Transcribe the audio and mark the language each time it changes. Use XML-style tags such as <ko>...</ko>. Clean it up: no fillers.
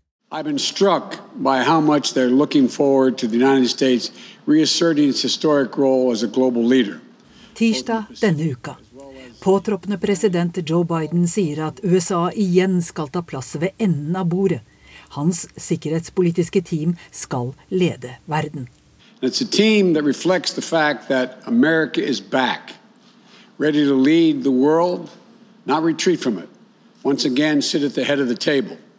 <en>I've been struck by how much they're looking forward to the United States reasserting its historic role as a global leader.</en> <no>Tirsdag denne uka. Påtroppende president Joe Biden sier at USA igjen skal ta plass ved enden av bordet. Hans sikkerhetspolitiske team skal lede verden.</no> <en>It's a team that reflects the fact that America is back, ready to lead the world, not retreat from it. Once again sit at the head of the table.</en>